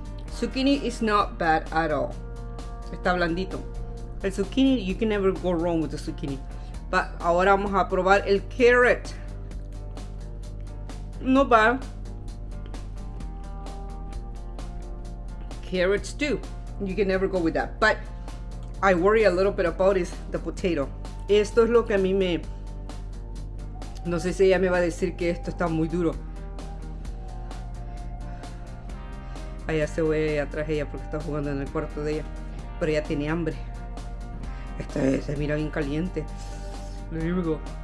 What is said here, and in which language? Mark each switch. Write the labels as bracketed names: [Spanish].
[English] Zucchini is not bad at all. [Spanish] Está blandito. El zucchini, [English] you can never go wrong with the zucchini. But [Spanish] ahora vamos a probar el carrot. No va. [English] Carrots too. You can never go with that. But I worry a little bit about is the potato. [Spanish] Esto es lo que a mí me. No sé si ella me va a decir que esto está muy duro. Allá se fue atrás ella porque está jugando en el cuarto de ella. Pero ella tiene hambre. Este se mira bien caliente. Le digo.